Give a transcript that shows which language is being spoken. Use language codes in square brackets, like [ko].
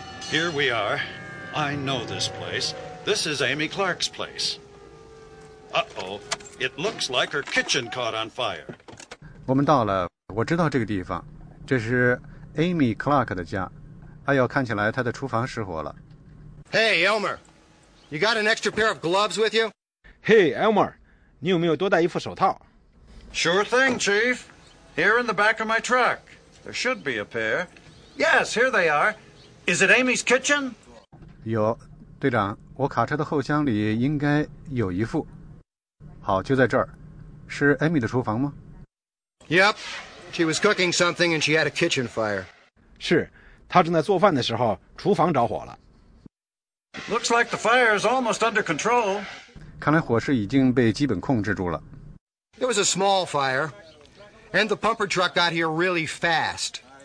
[en] Here we are. I know this place. This is Amy Clark's place. Uh-oh. It looks like her kitchen caught on fire. [zh] 我们到了，我知道这个地方。这是 Amy Clark 的家。哎呦，看起来她的厨房失火了。 [en] Hey, Elmer. You got an extra pair of gloves with you? Hey, Elmer. [zh] 你有没有多带一副手套？ [en] Sure thing, Chief. Here in the back of my truck. There should be a pair. Yes, here they are. Is it Amy's kitchen? [zh] 有，队长，我卡车的后箱里应该有一副。好，就在这儿。是 Amy 的厨房吗？ [en] Yep. She was cooking something and she had a kitchen fire. [zh] 是。他正在做饭的时候，厨房着火了。 [en] Looks like the fire is almost under control. [zh] 看来火势已经被基本控制住了。 [en] It was a small fire, and the pumper truck got here really fast.